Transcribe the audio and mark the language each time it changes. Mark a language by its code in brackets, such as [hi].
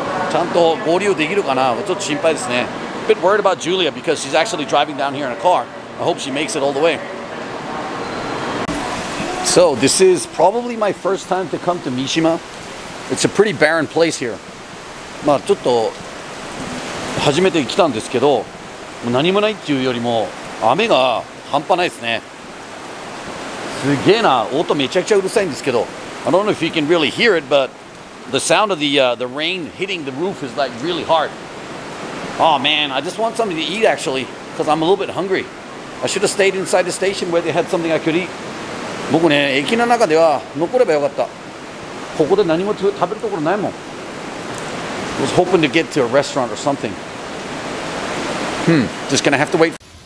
[ja] ちゃんと合流できるかな。ちょっと心配ですね。 [en] A bit worried about Julia because she's actually driving down here in a car. I hope she makes it all the way. So this is probably my first time to come to Mishima. It's a pretty barren place here. [ja] まあちょっと初めて来たんですけど、何もないっていうよりも雨が半端ないですね。すげえな。音めちゃくちゃうるさいんですけど。 [en] I don't know if you can really hear it, but the sound of the rain hitting the roof is like really hard. Oh man, I just want something to eat actually, because I'm a little bit hungry. I should have stayed inside the station where they had something I could eat. [ja] 僕ね、駅の中では残ればよかった。ここで何も食べるところないもん。 [en] I was hoping to get to a restaurant or something. Just gonna have to wait.